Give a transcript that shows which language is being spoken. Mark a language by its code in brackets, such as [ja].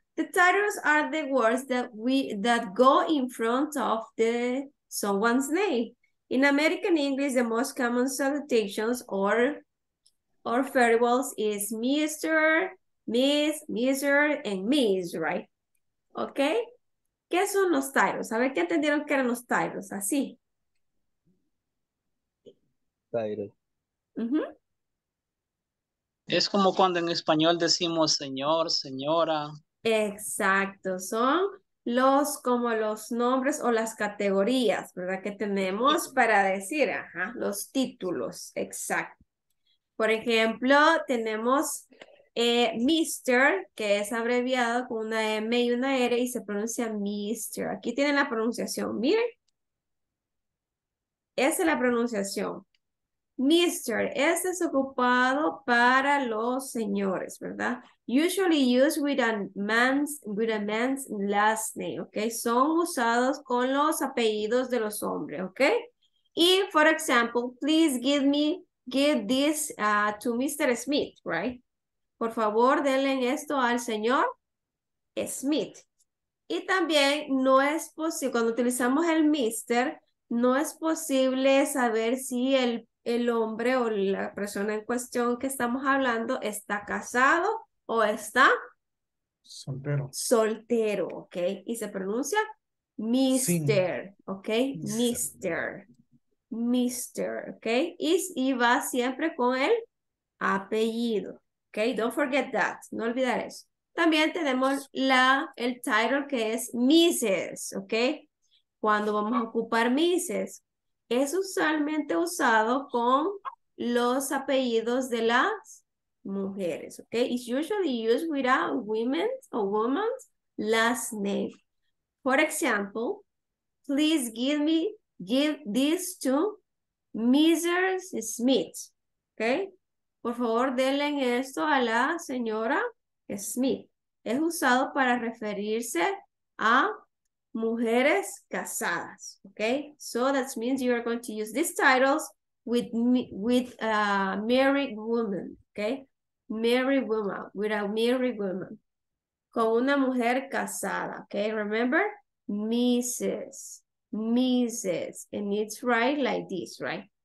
[en] The titles are the words that go in front of the someone's name. In American English, the most common salutations or farewells is Mr., Miss, Mr., and Miss, right? Okay? [es] ¿Qué son los titles? A ver, ¿qué entendieron que eran los titles? Así. [en] Titles. Uh-huh. [es] Es como cuando en español decimos señor, señora. Exacto, son los como los nombres o las categorías, ¿verdad? Que tenemos para decir, ajá, los títulos, exacto. Por ejemplo, tenemos Mr., que es abreviado con una M y una R y se pronuncia Mr. Aquí tienen la pronunciación, miren. Esa es la pronunciación. Mr., este es ocupado para los señores, ¿verdad? [en] Usually used with a man's last name, ¿ok? [es] Son usados con los apellidos de los hombres, ¿ok? [en] Y, for example, please give this to Mr. [es] Smith, right? Por favor, denle esto al señor Smith. Y también no es posible, cuando utilizamos el Mr., no es posible saber si el hombre o la persona en cuestión que estamos hablando está casado o está soltero. Soltero, ¿ok? Y se pronuncia Mister, sí. ¿Ok? Mister. Mister, ¿ok? Y va siempre con el apellido, ¿ok? [en] Don't forget that, [es] no olvidar eso. También tenemos el title que es Mrs., ¿ok? Cuando vamos a ocupar Mrs., es usualmente usado con los apellidos de las mujeres, ¿ok? [en] It's usually used with a women's or woman's last name. For example, please give this to Mrs. Smith, ¿ok? [es] Por favor, denle esto a la señora Smith. Es usado para referirse a mujeres casadas, okay? [en] So that means you are going to use these titles with a married woman, [es] con una mujer casada, [en] okay? Remember, Mrs., and it's right like this, right?